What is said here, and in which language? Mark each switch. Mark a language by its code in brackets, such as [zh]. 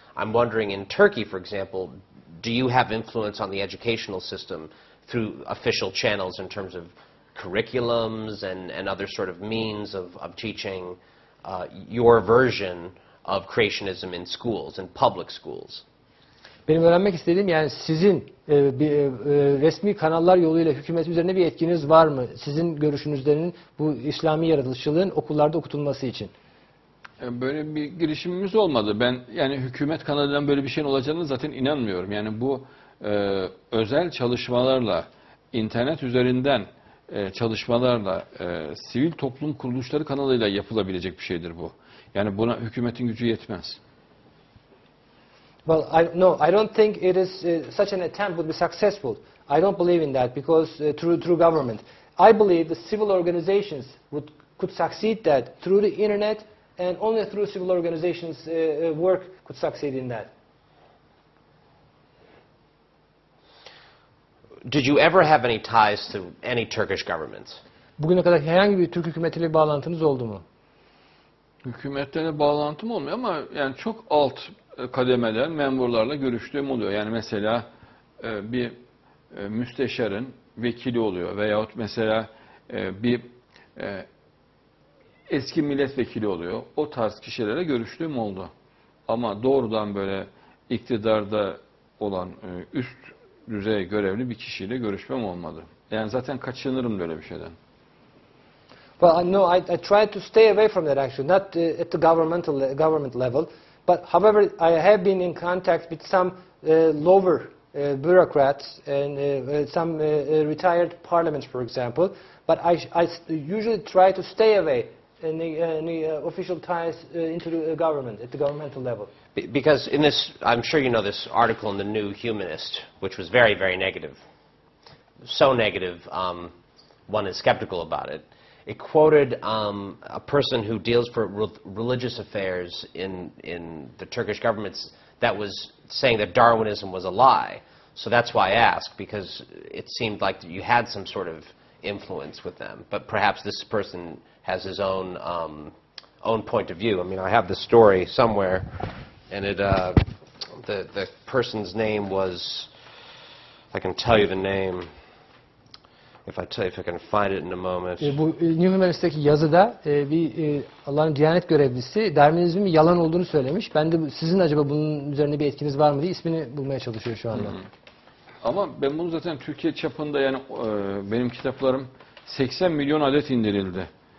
[en] I'm wondering, in Turkey, for example, do you have influence on the educational system through official channels in terms of curriculums and other sort of means of teaching your version of creationism in schools, in public schools? [tr] Benim öğrenmek istediğim yani sizin resmi kanallar yoluyla hükümet üzerine bir etkiniz var mı? Sizin görüşünüzlerinin bu İslami yaratılışçılığın okullarda okutulması için. Böyle bir girişimimiz olmadı. Ben yani hükümet kanadından böyle bir şeyin olacağını zaten inanmıyorum. Yani bu özel çalışmalarla, internet üzerinden çalışmalarla, sivil toplum kuruluşları kanalıyla yapılabilecek bir şeydir bu. Yani buna hükümetin gücü yetmez. [en] Well, I don't think it is such an attempt would be successful. I don't believe in that because through government. I believe the civil organizations could succeed that through the internet and only through civil organizations work could succeed in that. Did you ever have any ties to any Turkish governments? [tr] Bugüne kadar herhangi bir Türk hükümetiyle bağlantınız oldu mu? Hükümetlerle bağlantım olmuyor ama yani çok alt kademeden memurlarla görüştüğüm oluyor. Yani mesela bir müsteşarın vekili oluyor veyahut mesela bir eski milletvekili oluyor. O tarz kişilere görüştüğüm oldu. Ama doğrudan böyle iktidarda olan üst düzey görevli bir kişiyle görüşmem olmadı. Yani zaten kaçınırım böyle bir şeyden. [en] Well, no, I try to stay away from that actually, not at the government level. But however, I have been in contact with some lower bureaucrats and some retired parliaments, for example. But I usually try to stay away in the official ties into the government, at the governmental level. Because in this, I'm sure you know this article in the New Humanist, which was very, very negative. So negative, one is skeptical about it. It quoted a person who deals for religious affairs in the Turkish government that was saying that Darwinism was a lie. So that's why I ask, because it seemed like you had some sort of influence with them. But perhaps this person has his own own point of view. I mean, I have the story somewhere, and it the person's name was, I can tell you the name. If I can find it in a moment. [tr] Bu New Humanist'teki yazıda bir Allah'ın Diyanet görevlisi Darwinizmin yalan olduğunu söylemiş. Ben de sizin acaba bunun üzerine bir etkiniz var mı diye ismini bulmaya çalışıyor şu anda. Ama ben bunu zaten Türkiye çapında yani benim kitaplarım 80 milyon adet indirildi.